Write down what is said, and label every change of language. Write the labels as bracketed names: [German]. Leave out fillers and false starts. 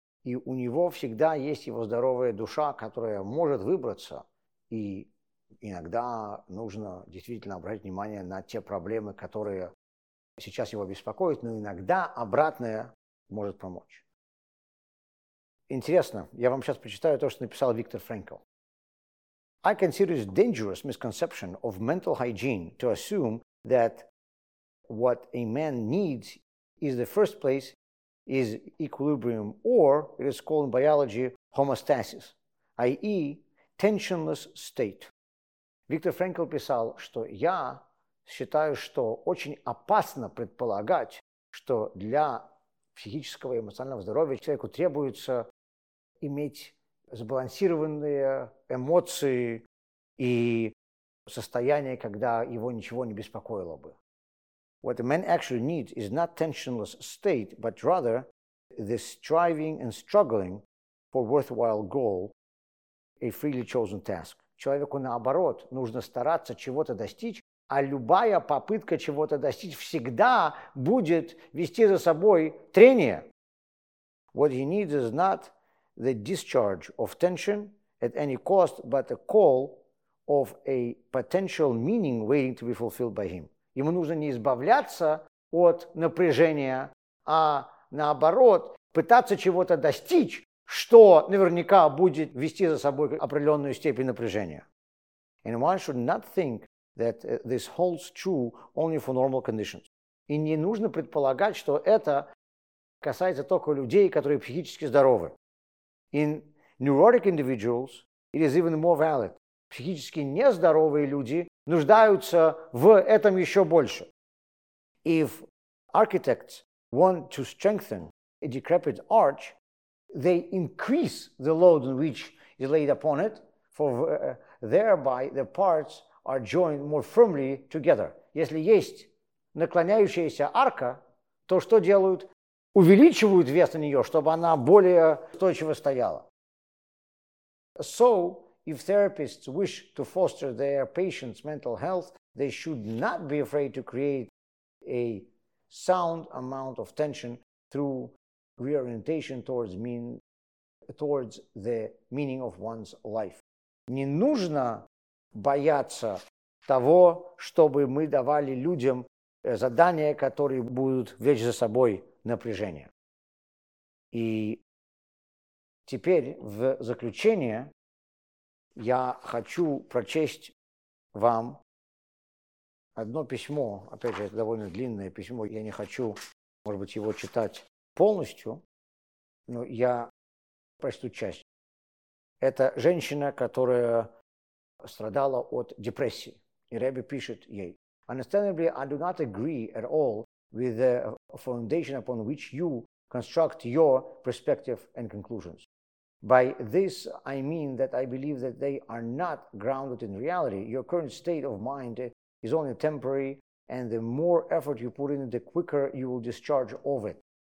[Russian] И у него всегда есть его здоровая душа, которая может выбраться. И иногда нужно действительно обратить внимание на те проблемы, которые сейчас его беспокоят, но иногда обратное может помочь. Интересно, я вам сейчас прочитаю то, что написал Виктор Фрэнкл. [English] I consider it a dangerous misconception of mental hygiene to assume that what a man needs is the first place is equilibrium, or it is called in biology homeostasis, i.e. tensionless state. [Russian] Виктор Фрэнкл писал, что я считаю, что очень опасно предполагать, что для психического и эмоционального здоровья человеку требуется иметь сбалансированные эмоции и состояние, когда его ничего не беспокоило бы. [English] What a man actually needs is not tensionless state, but rather the striving and struggling for worthwhile goal, a freely chosen task. [Russian] Человеку, наоборот, нужно стараться чего-то достичь, а любая попытка чего-то достичь всегда будет вести за собой трение. [English] What he needs is not the discharge of tension at any cost, but a call of a potential meaning waiting to be fulfilled by him. [Russian] Ему нужно не избавляться от напряжения, а наоборот, пытаться чего-то достичь, что наверняка будет вести за собой определенную степень напряжения. [English] And one should not think that this holds true only for normal conditions. [Russian] И не нужно предполагать, что это касается только людей, которые психически здоровы. [English] In neurotic individuals, it is even more valid. [Russian] Психически нездоровые люди нуждаются в этом еще больше. [English] If architects want to strengthen a decrepit arch, they increase the load on which is laid upon it, for thereby the parts are joined more firmly together. [Russian] Если есть наклоняющаяся арка, то что делают? Увеличивают вес на нее, чтобы она более устойчиво стояла. [English] So, if therapists wish to foster their patients' mental health, they should not be afraid to create a sound amount of tension through reorientation towards the meaning of one's life. [Russian] Не нужно бояться того, чтобы мы давали людям задания, которые будут влечь за собой напряжение. И теперь в заключение я хочу прочесть вам одно письмо. Опять же, это довольно длинное письмо. Я не хочу, может быть, его читать полностью, но я прочту часть. Это женщина, которая страдала от депрессии. И Рэби пишет ей. [English] Understandably, I do not agree at all with the foundation upon which you construct your perspective and conclusions. By this, I mean that I believe that they are not grounded in reality. Your current state of mind is only temporary, and the more effort you put in, the quicker you will discharge of it.